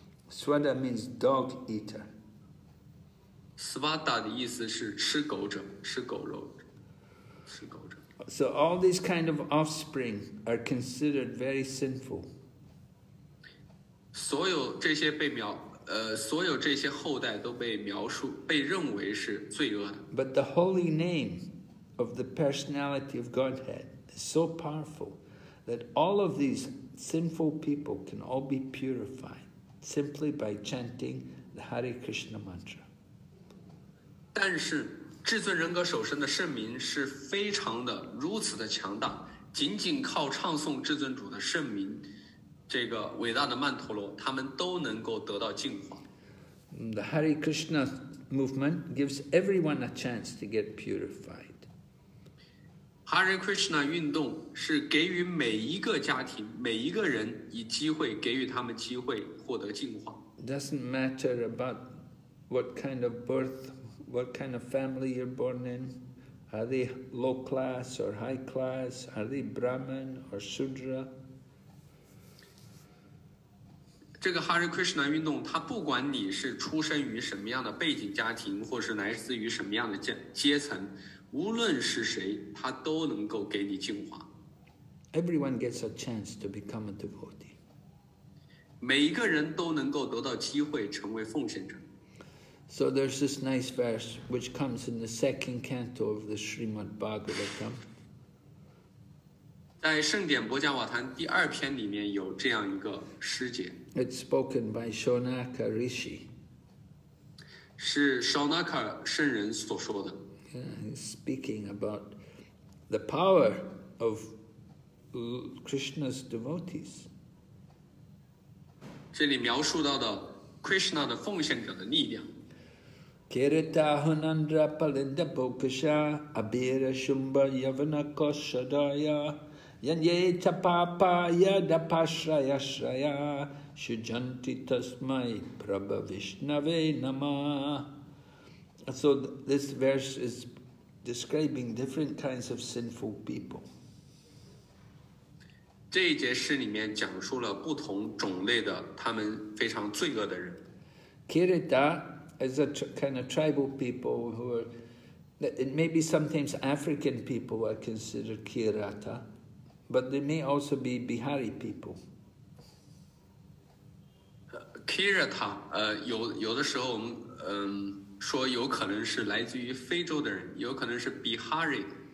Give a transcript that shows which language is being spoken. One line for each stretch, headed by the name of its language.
English: Swada means dog eater.
Chinese: Swada 的意思是吃狗者，吃狗肉，吃狗者。
English: So all these kind of offspring are considered very sinful.
Chinese: 所有这些被描所有这些后代都被描述被认为是罪恶的。
English: But the holy name of the personality of Godhead is so powerful that all of these sinful people can all be purified simply by chanting the Hare Krishna mantra.
Chinese: 但是至尊人格首身的圣名是非常的如此的强大，仅仅靠唱诵至尊主的圣名，这个伟大的曼陀罗，他们都能够得到净化。
English: The Hare Krishna movement gives everyone a chance to get purified.
Chinese: Hare Krishna 运动是给予每一个家庭每一个人以机会给予他们机会获得净化。
English: Doesn't matter about what kind of birth, what kind of family you're born in. Are they low class or high class? Are they Brahmin or Shudra?
Chinese: 这个 Hare Krishna 运动它不管你是出生于什么样的背景家庭或是来自于什么样的阶层。无论是谁，他都能够给你净化。
English: Everyone gets a chance to become a devotee.
Chinese: 每一个人都能够得到机会成为奉献者。
English: So there's this nice verse which comes in the second canto of the Srimad Bhagavatam.
Chinese: 在《圣典波迦瓦坛》第二篇里面有这样一个诗节。
English: It's spoken by Shaunaka Rishi.
Chinese: 是 Shaunaka 圣人所说的。
English: Speaking about the power of Krishna's devotees.
Chinese: 这里描述到的 Krishna 的奉献者的力量。
Sanskrit: Kirita Hunandra Palinda Bokasha Abira Shumba Yavana Koshadaya Yanye Tapapa Yadapashraya Shraya Shujanti Tasmai Prabhavishnave Nama.
English: So this verse is. Describing different kinds of sinful people.
Chinese: 这一节诗里面讲述了不同种类的他们非常罪恶的人。
English: Kirita is a kind of tribal people who are, it may be sometimes African people are considered Kirata, but they may also be Bihari people.
Chinese: Kirita, 有的时候我们说有可能是来自于非洲的人，有可能是 Bihari。